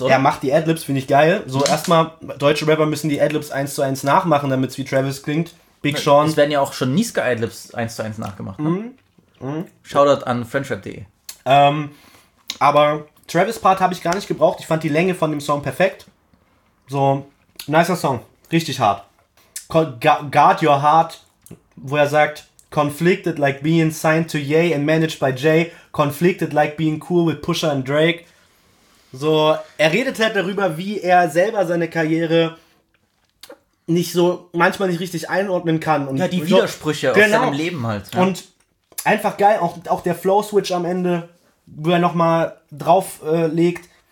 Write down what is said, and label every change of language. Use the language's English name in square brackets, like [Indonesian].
[German] oder? Er macht die Adlibs, finde ich geil. So, erstmal, deutsche Rapper müssen die Adlibs 1:1 nachmachen, damit es wie Travis klingt. Big Sean. Es werden ja auch schon Niska Adlibs 1:1 nachgemacht. Ne? Shoutout an friendship.de. Aber Travis Part habe ich gar nicht gebraucht. Ich fand die Länge von dem Song perfekt. So, nicer Song. Richtig hart. Guard Your Heart, wo er sagt, [English] conflicted like being signed to Ye and managed by Jay, conflicted like being cool with Pusha and Drake. [German] So, er redet halt darüber, wie er selber seine Karriere nicht so, manchmal nicht richtig einordnen kann. Und ja, die Widersprüche aus seinem Leben halt. Ja. Und einfach geil, auch der Flow-Switch am Ende, wo er nochmal drauf legt.